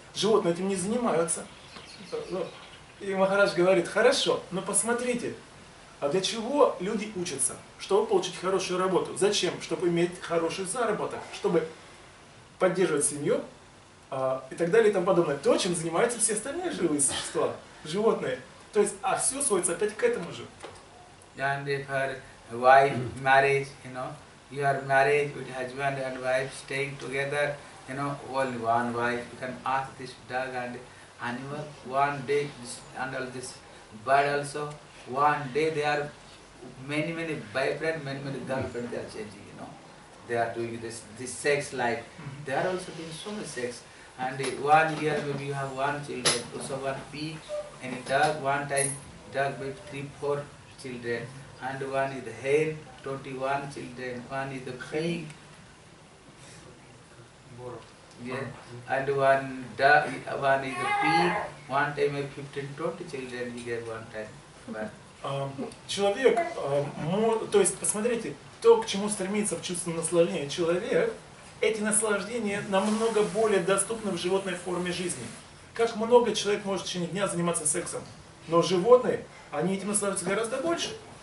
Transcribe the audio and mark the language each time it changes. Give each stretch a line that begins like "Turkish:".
Russian: Животные этим не занимаются. И Махарадж говорит, хорошо, но посмотрите, а для чего люди учатся? Чтобы получить хорошую работу. Зачем? Чтобы иметь хороший заработок, чтобы поддерживать семью и так далее и тому подобное. То, чем занимаются все остальные живые существа, животные. То есть, а все сводится опять к этому же.
English: And if her wife marriage, you know, you are married with husband and wife staying together, you know, only one wife, you can ask this dog and animal one day, and all this bird also, one day they are many, many vibrant, many, many girlfriends they are changing, you know. They are doing this sex life. Mm-hmm. They are also doing so much sex. And 1 year maybe you have one children, also one bee, and a dog, one time dog with 3-4 children. And one is the hen, 21 children, one is the pig. Yeah. And one dog, one is the pig, one time maybe 15-20 children you get one time.
Russian: Человек, то есть посмотрите, то, к чему стремится в чувство наслаждения человек, эти наслаждения намного более доступны в животной форме жизни. Как много человек может в течение дня заниматься сексом, но животные, они этим наслаждаются гораздо больше.